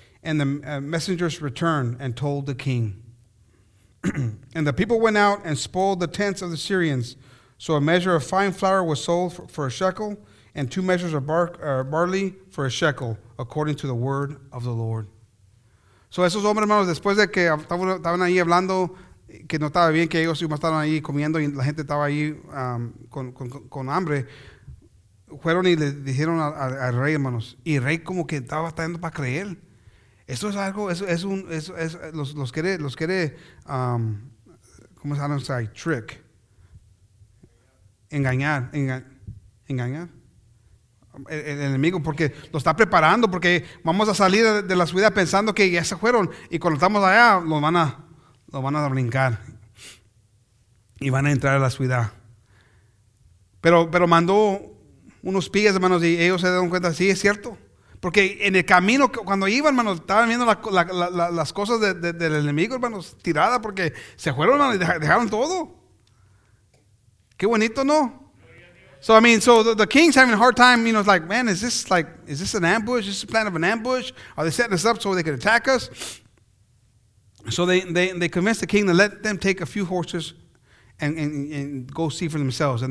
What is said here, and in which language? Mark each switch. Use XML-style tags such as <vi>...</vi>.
<en>And the messengers returned and told the king. And the people went out and spoiled the tents of the Syrians. So a measure of fine flour was sold for a shekel, and 2 measures of barley for a shekel, according to the word of the Lord.</en> <es>So esos hombres, hermanos, después de que estaban ahí hablando, que no estaba bien, que ellos estaban ahí comiendo y la gente estaba ahí con hambre, fueron y le dijeron al rey, hermanos, y el rey como que estaba batallando para creer. Esto es algo, los quiere, ¿cómo se llama? Trick. Engañar. El enemigo, porque lo está preparando, porque vamos a salir de la ciudad pensando que ya se fueron, y cuando estamos allá, lo van a brincar. Y van a entrar a la ciudad. Pero mandó unos pigas, hermanos, y ellos se dieron cuenta, sí, es cierto. Porque en el camino, cuando iban, hermanos, estaban viendo las cosas del enemigo, hermanos, tiradas, porque se fueron, hermanos, y dejaron todo. Qué bonito, ¿no?</es> <en>So, I mean, so the king's having a hard time, you know, it's like, man, is this an ambush? Is this a plan of an ambush? Are they setting us up so they can attack us? So they convinced the king to let them take a few horses and go see for themselves.</en>